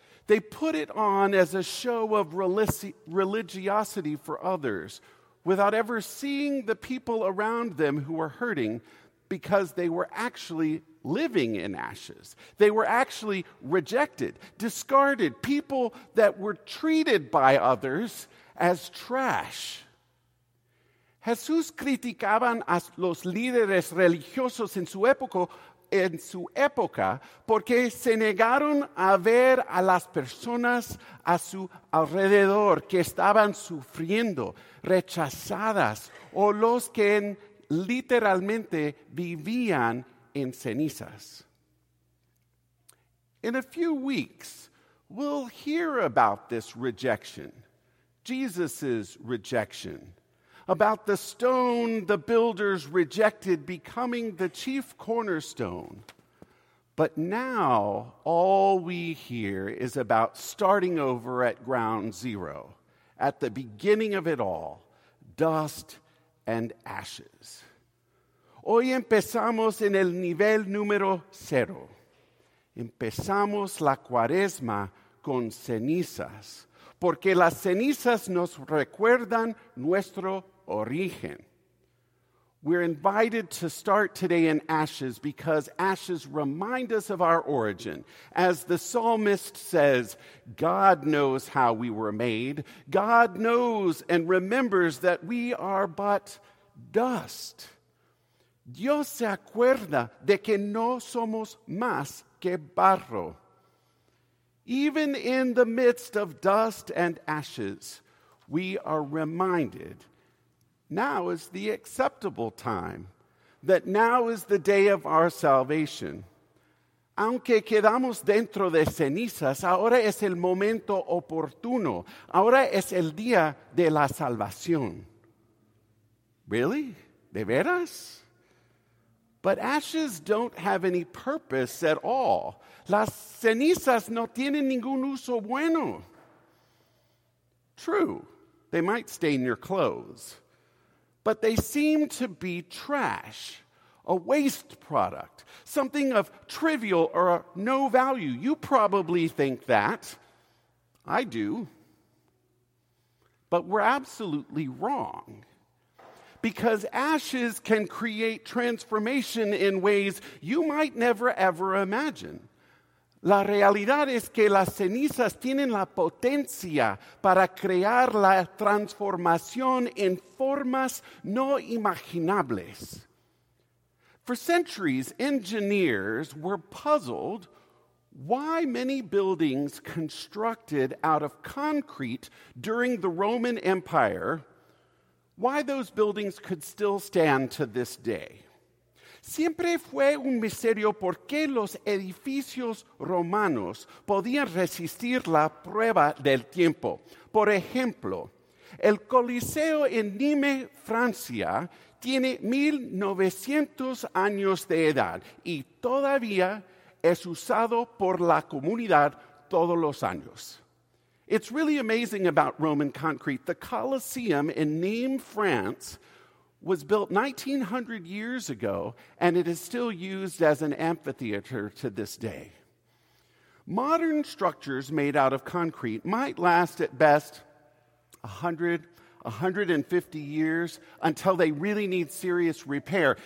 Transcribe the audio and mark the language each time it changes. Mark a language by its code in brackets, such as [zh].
[en] They put it on as a show of religiosity for others, without ever seeing the people around them who were hurting because they were actually living in ashes. They were actually rejected, discarded, people that were treated by others as trash. [es] Jesús criticaban a los líderes religiosos en su época porque se negaron a ver a las personas a su alrededor que estaban sufriendo, rechazadas, o los que literalmente vivían en cenizas. [en] In a few weeks, we'll hear about this rejection, Jesus's rejection, about the stone the builders rejected becoming the chief cornerstone. But now all we hear is about starting over at ground zero, at the beginning of it all, dust and ashes. [es] Hoy empezamos en el nivel número cero. Empezamos la cuaresma con cenizas, porque las cenizas nos recuerdan nuestro origen. [en] We're invited to start today in ashes because ashes remind us of our origin. As the psalmist says, God knows how we were made. God knows and remembers that we are but dust. [es] Dios se acuerda de que no somos más que barro. [en] Even in the midst of dust and ashes, we are reminded now is the acceptable time, that now is the day of our salvation. [es] aunque quedamos dentro de cenizas, ahora es el momento oportuno. Ahora es el día de la salvación. [en] Really? [es] ¿De veras? [en] But ashes don't have any purpose at all. [es] Las cenizas no tienen ningún uso bueno. [en] True, they might stain your clothes, but they seem to be trash, a waste product, something of trivial or no value. You probably think that. I do. But we're absolutely wrong. Because ashes can create transformation in ways you might never ever imagine. [es] La realidad es que las cenizas tienen la potencia para crear la transformación en formas no imaginables. [en] For centuries, engineers were puzzled why many buildings constructed out of concrete during the Roman Empire, why those buildings could still stand to this day. [es] Siempre fue un misterio por qué los edificios romanos podían resistir la prueba del tiempo. Por ejemplo, el Coliseo en Nîmes, Francia, tiene 1,900 años de edad y todavía es usado por la comunidad todos los años. [en] It's really amazing about Roman concrete. The Colosseum in Nîmes, France, was built 1,900 years ago, and it is still used as an amphitheater to this day. Modern structures made out of concrete might last at best 100, 150 years until they really need serious repair.